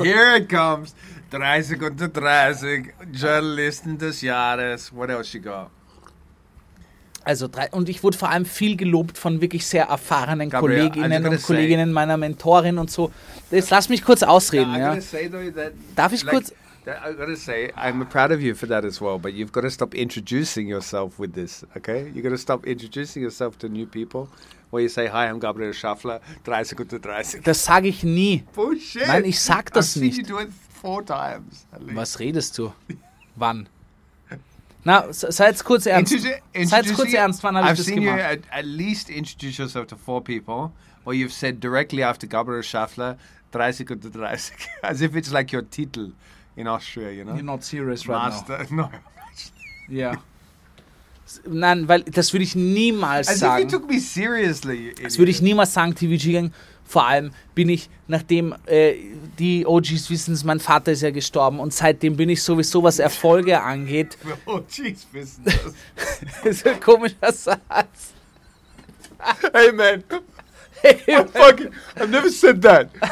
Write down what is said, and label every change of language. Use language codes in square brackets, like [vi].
[en] 30. Oh, here it comes, 30 unter 30, Journalisten des Jahres, what else you got? [de] Also, und ich wurde vor allem viel gelobt von wirklich sehr erfahrenen Kolleginnen und Kolleginnen meiner Mentorin und so. Jetzt lass mich kurz ausreden, ja. Darf ich kurz? [en] I gotta say, I'm proud of you for that as well, but you've got to stop introducing yourself with this, okay? You've got to stop introducing yourself to new people, where you say, hi, I'm Gabriel Schaffler, 30 unter 30. [de] Das sage ich nie. [en] Bullshit. [de] Nein, ich sag das nicht. [en] I've seen you do it four times. [de] Was redest du? Wann? Na, sei jetzt kurz ernst. Wann habe ich das gemacht? [en] I've seen you at least introduce yourself to four people, where you've said directly after Gabriel Schaffler, 30 unter 30, as if it's like your title. In Austria, you know? You're not serious Master. Right now. No. [de] Yeah. Nein, weil das würde ich niemals [en] As [de] sagen. [en] As if you took me seriously, you idiot. [de] Das würde ich niemals sagen, TVG-Gang. Vor allem bin ich, nachdem die OGs wissen es, mein Vater ist ja gestorben und seitdem bin ich sowieso, was Erfolge angeht. OGs wissen das. Das ist ein komischer Satz. [en] Hey, man. I've never said that.